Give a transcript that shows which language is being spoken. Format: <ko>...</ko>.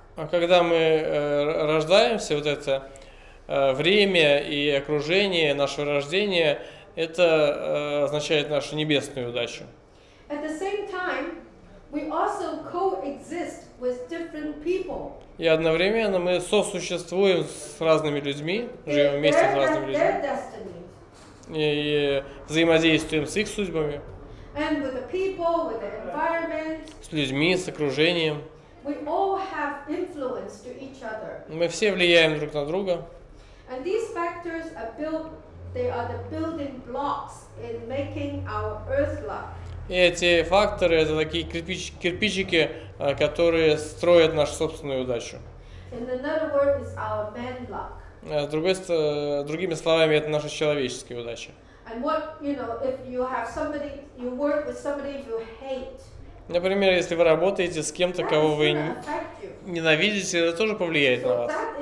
<ru>Когда мы рождаемся, вот это время и окружение нашего рождения – это означает нашу небесную удачу.</ru> <en>At the same time, we also coexist with different people.</en> <ru>И одновременно мы сосуществуем с разными людьми, живем вместе с разными людьми.</ru> <en>Their destiny.</en> <ru>И взаимодействуем с их судьбами.</ru> <en>And with the people, with the environment.</en> <ru>С людьми, с окружением.</ru> <en>We all have influence to each other.</en> <ru>Мы все влияем друг на друга.</ru> <en>And these factors are built, they are the building blocks in making our earth luck.</en> <ru>И эти факторы это такие кирпичики, которые строят нашу собственную удачу.</ru> <en>In another word is our man luck.</en> <ru>Другими словами, это наша человеческая удача.</ru> <en>And what, you know, if you have somebody, you work with somebody you hate.</en> <ru>Например, если вы работаете с кем-то, кого вы ненавидите, это тоже повлияет на вас.</ru>